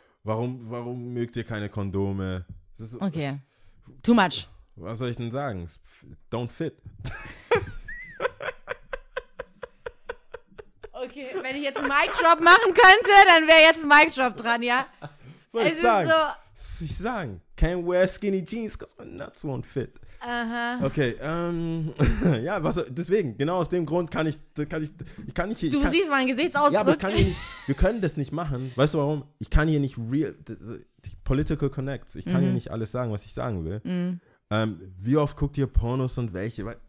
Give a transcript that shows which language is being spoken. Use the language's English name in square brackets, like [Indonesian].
[German] Warum mögt ihr keine Kondome? Das ist, okay. [English] Too much. [German] Was soll ich denn sagen? [English] Don't fit. [German] Okay, wenn ich jetzt einen Mic Drop machen könnte, dann wäre jetzt ein Mic Drop dran, ja? Soll ich sagen? [English] Can't wear skinny jeans, because my nuts won't fit. [German] Aha. Okay, ja, aus dem Grund kann ich hier. Siehst meinen Gesichtsausdruck. Ja, aber wir können das nicht machen. Weißt du warum? Ich kann hier nicht real. [English] Political connects. [German] Ich kann hier nicht alles sagen, was ich sagen will. Mhm. Wie oft guckt ihr Pornos und welche?